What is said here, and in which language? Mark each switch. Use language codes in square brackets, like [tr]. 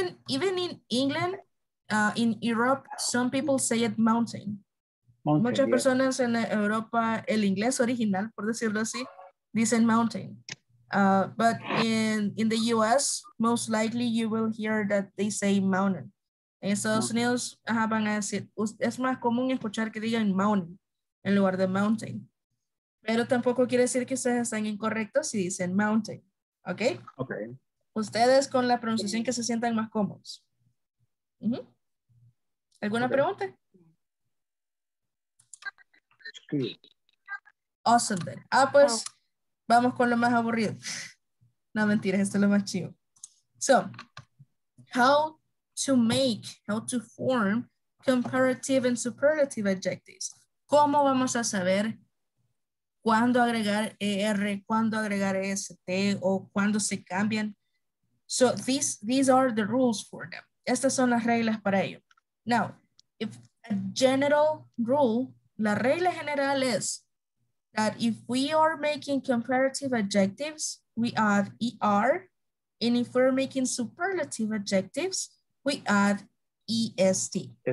[en] Even in England, in Europe, some people say it mountain. [es] Muchas personas en Europa, el inglés original, por decirlo así, dicen mountain. [en] But in the US, most likely you will hear that they say mountain. [es] En Estados Unidos, ajá, van a decir, es más común escuchar que digan mountain en lugar de mountain. Pero tampoco quiere decir que ustedes están incorrectos si dicen mountain. ¿Ok? Ok. Ustedes con la pronunciación que se sientan más cómodos. ¿Alguna pregunta? [en] Awesome then. [es] Ah, pues vamos con lo más aburrido. No, mentira, esto es lo más chido. [en] So, how to make, how to form comparative and superlative adjectives. [es] ¿Cómo vamos a saber cuándo agregar ER, cuándo agregar EST o cuándo se cambian? [en] So, these are the rules for them. [es] Estas son las reglas para ello. [en] Now, if a general rule, [es] la regla general es [en] that if we are making comparative adjectives, we add ER, and if we're making superlative adjectives, we add EST.